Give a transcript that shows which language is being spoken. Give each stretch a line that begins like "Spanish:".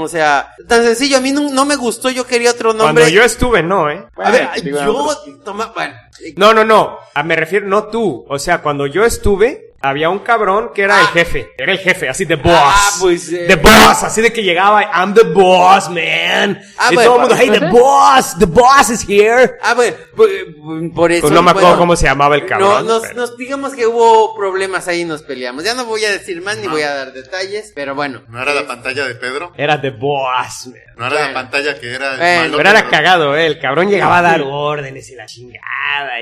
Spanish: O sea, tan sencillo, a mí no me gustó, yo quería otro nombre. Cuando yo estuve, no, ¿eh? A ver, yo tomaba... Bueno, No. A, me refiero, no tú. O sea, cuando yo estuve... Había un cabrón que era el jefe. Era el jefe, así,
English: the boss.
Spanish: Ah, pues,
English: The boss,
Spanish: así de que llegaba,
English: I'm the boss, man.
Spanish: Y todo el mundo,
English: hey, the boss is here.
Spanish: Ah, bueno, por eso. Pues no me acuerdo cómo se llamaba el cabrón. No, nos digamos que hubo problemas ahí y nos peleamos. Ya no voy a decir más ni voy a dar detalles, pero bueno. ¿No era la pantalla de Pedro? Era
English: the boss, man.
Spanish: No era la pantalla que era el malo. Pero era cagado, el cabrón llegaba a dar órdenes y la chingada.